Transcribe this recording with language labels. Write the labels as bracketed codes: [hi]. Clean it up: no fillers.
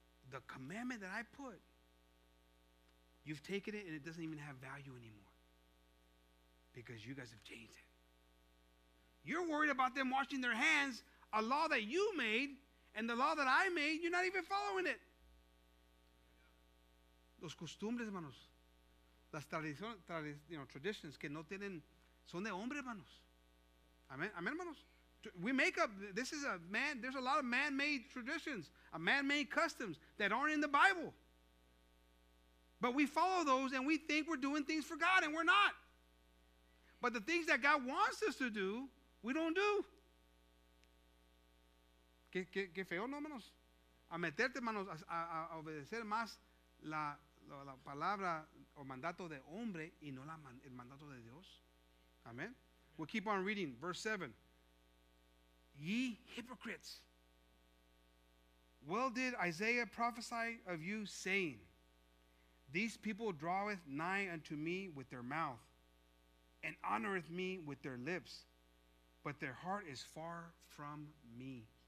[en] The commandment that I put, you've taken it and it doesn't even have value anymore because you guys have changed it. You're worried about them washing their hands, a law that you made, and the law that I made, you're not even following it. [es] Los costumbres, hermanos. Las traditions que no tienen, son de hombre, hermanos. Amen, amen, hermanos. [en] We make up, this is a man, there's a lot of man-made traditions, a man-made customs that aren't in the Bible. But we follow those and we think we're doing things for God and we're not. But the things that God wants us to do, we don't do. [es] Qué feo, no, hermanos. A meterte, hermanos, a obedecer más la palabra o mandato de hombre y no el mandato de Dios. [en] Amen. We'll keep on reading. Verse 7. Ye hypocrites, well did Isaiah prophesy of you, saying, these people draweth nigh unto me with their mouth, and honoreth me with their lips, but their heart is far from me.